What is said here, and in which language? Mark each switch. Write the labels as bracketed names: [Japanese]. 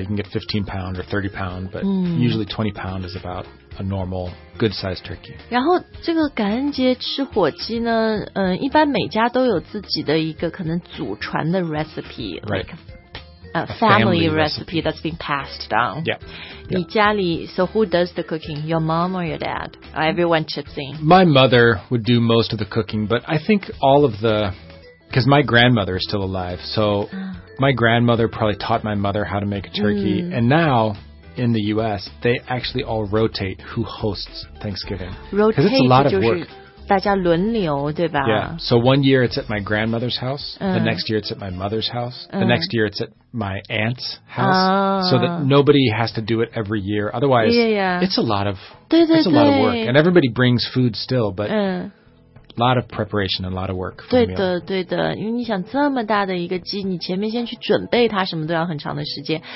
[English] You can get 15 pound or 30 pound, but usually 20 pound is about a normal, good-sized turkey. [Chinese] 然后这个感恩节吃火鸡呢，一般每家都有自己的一个可能祖传的 recipe, [English] right? A family recipe that's been passed down. Yeah. [Chinese] 你家里 [English] so who does the cooking? Your mom or your dad? Everyone chips in. My mother would do most of the cooking, but I think all of the... Because my grandmother is still alive, so my grandmother probably taught my mother how to make a turkey. Mm. And now, in the U.S., they actually all rotate who hosts Thanksgiving. Rotate 'cause it's a lot of work. [Chinese] 大家轮流，对吧? [English] Yeah, so one year it's at my grandmother's house, the next year it's at my mother's house, the next year it's at my aunt's house, so that nobody has to do it every year. Otherwise, it's a lot of, [Chinese] 对对对 [English] it's a lot of work. And everybody brings food still, but... Lot of preparation and a lot of work. [Chinese] 对的，对的，因为你想这么大的一个鸡，你前面先去准备它，什么都要很长的时间。